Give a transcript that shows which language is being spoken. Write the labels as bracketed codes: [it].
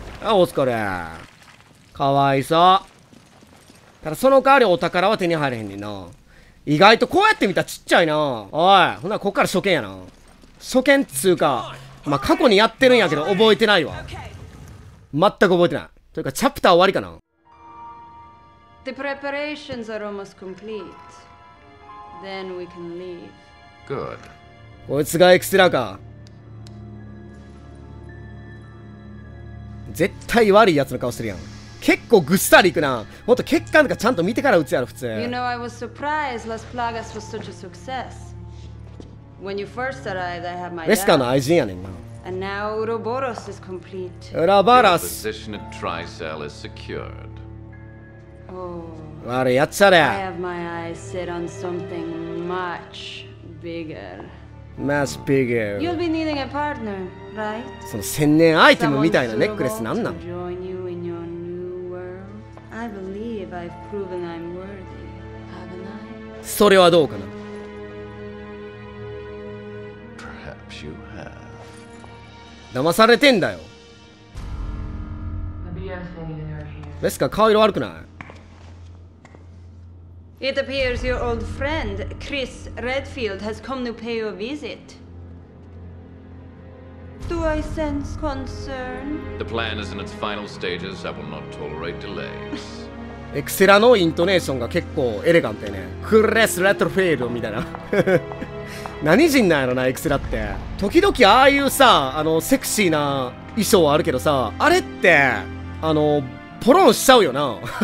[ja] あ、お疲れ、かわいそう。ただその代わりお宝は手に入れへんねんな。意外とこうやって見たらちっちゃいな。おい、ほんならこっから初見やな。初見っつうか、まあ、過去にやってるんやけど覚えてないわ。全く覚えてない。というかチャプター終わりかな。 [en] The preparations are almost complete. Then we can leave. Good. [ja] こいつがエクスラか。絶対悪いやつの顔してるやん。結構ぐっさり行くな。もっと血管とかちゃんと見てから打つやろ普通。 [en] You know, I was surprised Las Plagas was such a success. When you first arrived, I had my. [ja] レスカーの愛人やねんな。 [en] And now Ouroboros is complete. [ja] ウロボロス。 [en] Your position at Tricell is secured. [ja] 悪いやつやれ。 [en] I have my eyes set on something much bigger. Much bigger. You'll be needing a partner, right? [ja] その千年アイテムみたいなネックレスなんなん。 [en] Someone to join you in your new world. I believe I've proven I'm worthy, haven't I? [ja] それはどうかな。 [en] Perhaps you have. [ja] 騙されてんだよ。ベスカ顔色悪くない。 [en] It appears your old friend, Chris Redfield, has come to pay you a visit. Do I sense concern? The plan is in its final stages. I will not tolerate delays. [ja] エクセラのイントネーションが結構エレガントね。クリス・レッドフィールドみたいな。何人なんやろな、エクセラって。時々ああいうさ、あのセクシーな衣装はあるけどさ、あれって、あの、ポロンしちゃうよな。